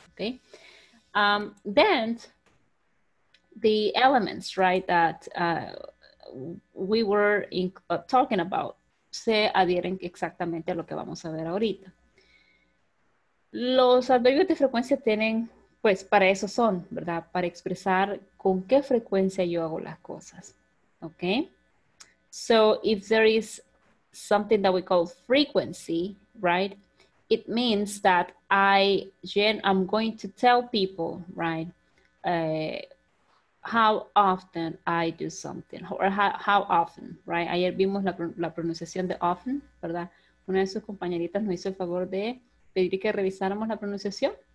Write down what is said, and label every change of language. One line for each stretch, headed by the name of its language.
English: Okay, then the elements, right, that we were talking about
Spanish: se adhieren exactamente a lo que vamos a ver ahorita. Los adverbios de frecuencia tienen, pues, para eso son, ¿verdad? Para expresar con qué frecuencia yo hago las cosas, okay?
English: So if there is something that we call frequency, right, it means that I'm going to tell people, right, how often I do something, or how often, right?
Spanish: Ayer vimos la pronunciación de often, ¿verdad? Una de sus compañeritas nos hizo el favor de pedir que revisáramos la pronunciación.